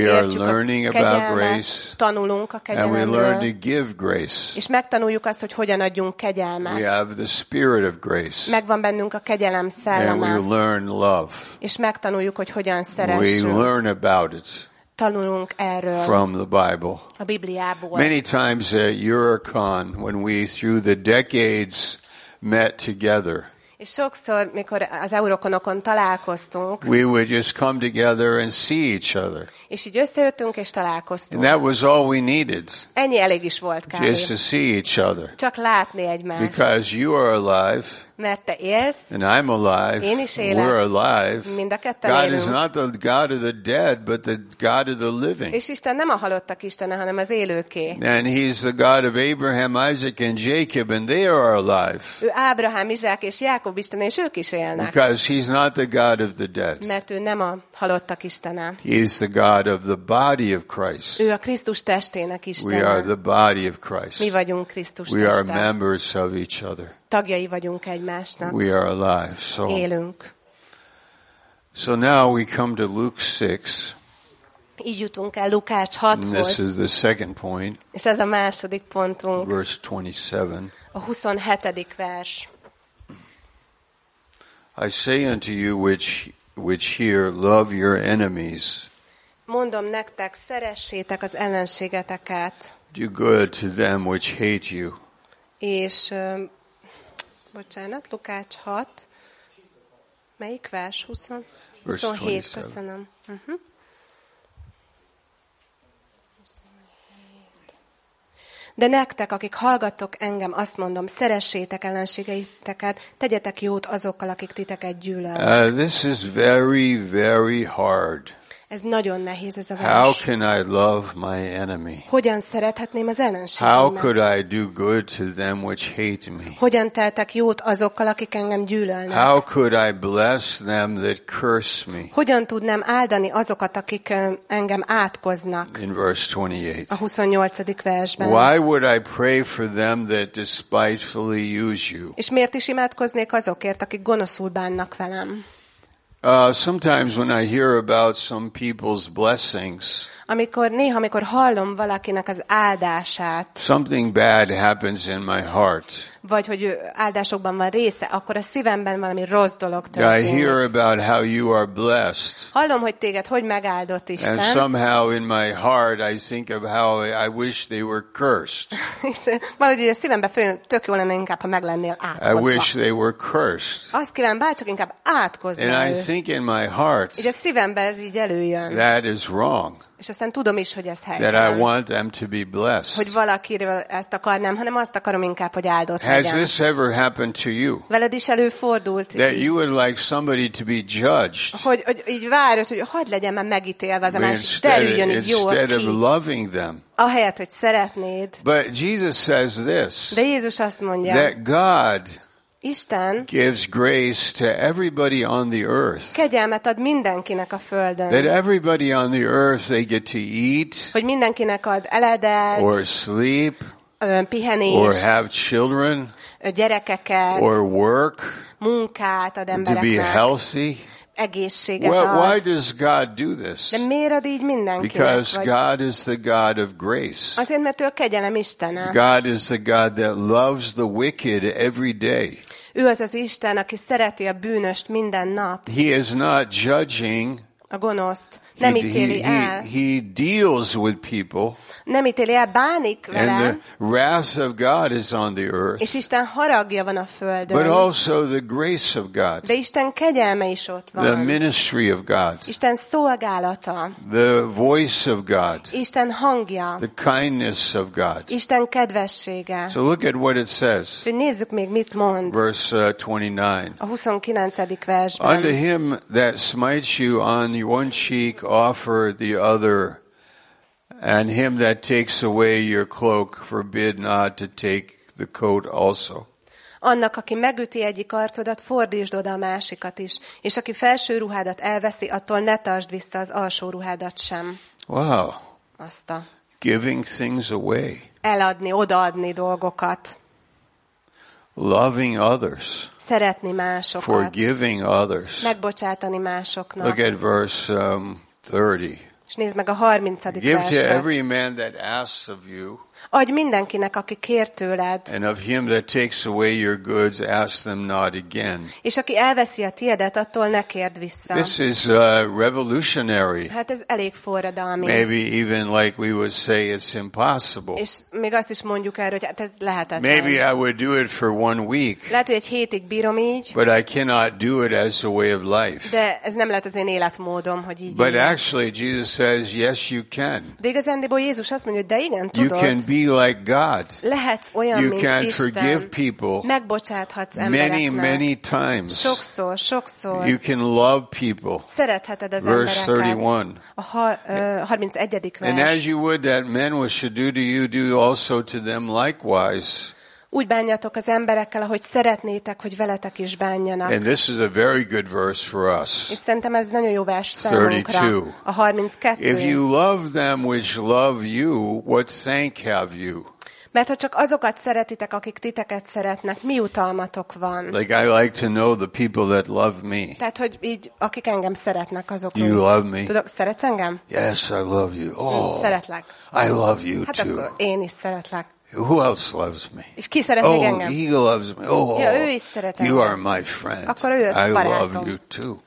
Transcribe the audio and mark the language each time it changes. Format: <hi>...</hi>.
<en>we are learning about grace.</en> <hu>Tanulunk a kegyelmet.</hu> <en>And we learn to give grace.</en> <hu>És megtanuljuk azt, hogy hogyan adjunk kegyelmet.</hu> <en>We have the spirit of grace.</en> <hu>Megvan bennünk a kegyelem szelleme.</hu> <en>And we learn love.</en> <hu>És megtanuljuk, hogy hogyan szeressünk.</hu> <en>We learn about it.</en> <hu>Tanulunk erről</hu> <en>from the Bible.</en> <hu>A Bibliából.</hu> <en>Many times at Eurocon when we through the decades met together.</en> <hu>És sokszor, mikor az Eurokonokon találkoztunk,</hu> <en>we would just come together and see each other.</en> <hu>És így összejöttünk és találkoztunk.</hu> <en>And that was all we needed.</en> <hu>Ennyi elég is volt kb.</hu> <en>Just to see each other.</en> <hu>Csak látni egymást.</hu> <en>Because you are alive.</en> <hu>Mert te élsz.</hu> <en>And I'm alive.</en> <hu>Én is élek.</hu> <en>We're alive.</en> <hu>Mind a ketten</hu> <en>God</en> <hu>élünk.</hu> <en>Is not the God of the dead, but the God of the living.</en> <hu>És Isten nem a halottak Istene, hanem az élőké.</hu> <en>And he's the God of Abraham, Isaac and Jacob and they are alive.</en> <hu>Ő Ábrahám, Izsák és Jákob Isten, és ők is élnek.</hu> <en>Because he's not the God of the dead.</en> <hu>Mert ő nem a halottak Istene.</hu> <en>He is the God of the body of Christ.</en> <hu>Ő a Krisztus testének Istene.</hu> <en>We are the body of Christ.</en> <hu>Mi vagyunk Krisztus teste.</hu> <en>We are members of each other.</en> <hu>Tagjai vagyunk egymásnak.</hu> <en>We are alive, so.</en> <hu>Élünk.</hu> <en>So now we come to Luke 6.</en> <hu>Így jutunk el Lukács 6-hoz.</hu> <en>And this is the second point.</en> <hu>És ez a második pontunk.</hu> <en>Verse 27.</en> <hu>A 27. vers.</hu> <en>I say unto you which hear, love your enemies.</en> <hu>Mondom nektek, szeressétek az ellenségeteket.</hu> <en>Do good to them which hate you.</en> <hu>És bocsánat, Lukács 6. Melyik vers? 27, köszönöm. De nektek, akik hallgattok engem, azt mondom, szeressétek ellenségeiteket, tegyetek jót azokkal, akik titeket gyűlölnek.</hu> <en>This is very, very hard.</en> <hu>Ez nagyon nehéz ez a vers.</hu> <en>How can I love my enemy?</en> <hu>Hogyan szerethetném az ellenségemet?</hu> <en>How could I do good to them which hate me?</en> <hu>Hogyan tehetek jót azokkal, akik engem gyűlölnek?</hu> <en>How could I bless them that curse me?</en> <hu>Hogyan tudnám áldani azokat, akik engem átkoznak?</hu> <en>In verse 28.</en> <hu>A 28. versben.</hu> <en>Why would I pray for them that despitefully use you?</en> <hu>És miért is imádkoznék azokért, akik gonoszul bánnak velem?</hu> <en>Sometimes when I hear about some people's blessings,</en> <hu>amikor hallom valakinek az áldását,</hu> <en>something bad happens in my heart.</en> <hu>Vagy hogy áldásokban van része, akkor a szívemben valami rossz dolog történik.</hu> <en>I hear about how you are blessed.</en> <hu>Hallom, hogy téged hogy megáldott Isten.</hu> <en>And somehow in my heart I think of how I wish they were cursed.</en> <hu>Valahogy a szívemben fő, tök jó lenne inkább, ha meg lennél átkozva.</hu> <en>I wish they were cursed.</en> <hu>Azt kívánom, bárcsak inkább átkozna.</hu> <en>And I think in my heart.</en> <hu>Így a szívemben ez így előjön.</hu> <en>That is wrong.</en> <hu>És aztán tudom is, hogy ez helytelen.</hu> <en>That I want them to be blessed.</en> <hu>Hogy valakiről ezt akarnám, hanem azt akarom inkább, hogy áldott legyen.</hu> <en>Has this ever happened to you?</en> <hu>Veled is előfordult.</hu> <en>That you would like somebody to be judged.</en> <hu>Hogy így várod, hogy hadd legyen már megítélve az a másik, derüljön így jól ki.</hu> <en>Instead of loving them.</en> <hu>Ahelyett, hogy szeretnéd.</hu> <en>But Jesus says this.</en> <hu>De Jézus azt mondja.</hu> <en>That God.</en> <hu>Isten</hu> <en>gives grace to everybody on the earth.</en> <hu>Kegyelmet ad mindenkinek a földön.</hu> <en>That everybody on the earth they get to eat.</en> <hu>Hogy mindenkinek ad eledet.</hu> <en>Or sleep.</en> <hu>Pihenést.</hu> <en>Or have children.</en> <hu>Gyerekeket.</hu> <en>Or work.</en> <hu>Munkát ad embereknek.</hu> <en>To be healthy.</en> <hu>Egészséget</hu> <en>well,</en> <hu>ad.</hu> <en>Why does God do this?</en> <hu>De miért ad így mindenkinek?</hu> <en>Because God is the God of grace.</en> <hu>Azért, mert ő a kegyelem Istene.</hu> <en>God is the God that loves the wicked every day.</en> <hu>Ő az az Isten, aki szereti a bűnöst minden nap.</hu> <en>He is not judging.</en> <hu>A gonoszt. Nem ítéli el.</hu> <en>He deals with people.</en> <hu>Nem ítéli el, bánik vele.</hu> <en>And the wrath of God is on the earth.</en> <hu>És Isten haragja van a földön.</hu> <en>But also the grace of God.</en> <hu>De Isten kegyelme is ott van.</hu> <en>The ministry of God.</en> <hu>Isten szolgálata.</hu> <en>The voice of God.</en> <hu>Isten hangja.</hu> <en>The kindness of God.</en> <hu>Isten kedvessége.</hu> <en>So look at what it says.</en> <hu>Nézzük még, mit mond.</hu> <en>Verse 29.</en> <hu>A 29. versben.</hu> <en>Unto him that smites you on one cheek, offer the other. And him that takes away your cloak, forbid not to take the coat also.</en> <hu>Annak, aki megüti egyik arcodat, fordítsd oda a másikat is. És aki felső ruhádat elveszi, attól ne tartsd vissza az alsó ruhádat sem.</hu> <en>Wow.</en> <hu>Azta.</hu> <en>Giving things away.</en> <hu>Eladni, odaadni dolgokat.</hu> <en>Loving others.</en> <hu>Szeretni másokat.</hu> <en>Forgiving others.</en> <hu>Megbocsátani másoknak.</hu> <en>Look at verse 30.</en> <hu>És nézd meg a 30.</hu> <en>Give</en> <hu>verset.</hu> <en>To every man that asks of you.</en> <hu>Adj mindenkinek, aki kér tőled.</hu> <en>And of him that takes away your goods, ask them not again.</en> <hu>És aki elveszi a tiédet, attól ne kérd vissza.</hu> <en>This is revolutionary.</en> <hu>Hát ez elég forradalmi.</hu> <en>Maybe even like we would say it's impossible.</en> <hu>És még azt is mondjuk erről, hogy hát ez lehetetlen.</hu> <en>Maybe I would do it for one week.</en> <hu>Lehet, hogy egy hétig bírom így.</hu> <en>But I cannot do it as a way of life.</en> <hu>De ez nem lehet az én életmódom, hogy így.</hu> <en>But actually Jesus says yes you can.</en> <hu>De igazándiból Jézus azt mondja, hogy de igen tudod.</hu> <en>Be like God.</en> <hu>Lehetsz olyan,</hu> <en>you</en> <hu>mint</hu> <en>can</en> <hu>Isten.</hu> <en>Forgive people.</en> <hu>Megbocsáthatsz embereknek.</hu> <en>Many, many times.</en> <hu>Sokszor, sokszor.</hu> <en>You can love people.</en> <hu>Szeretheted az</hu> <en>verse</en> <hu>embereket.</hu> <en>31.</en> <hu>A 31. vers.</hu> <en>And as you would that men should do to you, do also to them likewise.</en> <hu>Úgy bánjatok az emberekkel, ahogy szeretnétek, hogy veletek is bánjanak.</hu> <en>And this is a very good verse for us.</en> <hu>És szerintem ez nagyon jó vers számunkra.</hu> <en>32.</en> <hu>A 32.</hu> <en>If you love them which love you, what thank have you?</en> <hu>Mert ha csak azokat szeretitek, akik titeket szeretnek, mi utalmatok van?</hu> <en>Like I like to know the people that love me.</en> <hu>Tehát, hogy így, akik engem szeretnek, azok.</hu> <en>You love me.</en> <hu>Tudok, szeretsz engem?</hu> <en>Yes, I love you. Oh,</en> <hu>szeretlek.</hu> <en>I love you</en> <hu>hát</hu> <en>too.</en> <hu>Hát akkor én is szeretlek.</hu> <en>Who else loves me?</en> <hu>És ki szeretne engem?</hu> <en>He loves me. Oh,</en> <hu>ja, ő is szeret engem.</hu> <en>You are my friend.</en> <hu>Akkor ő a barátom.</hu> <en>I love you too.</en>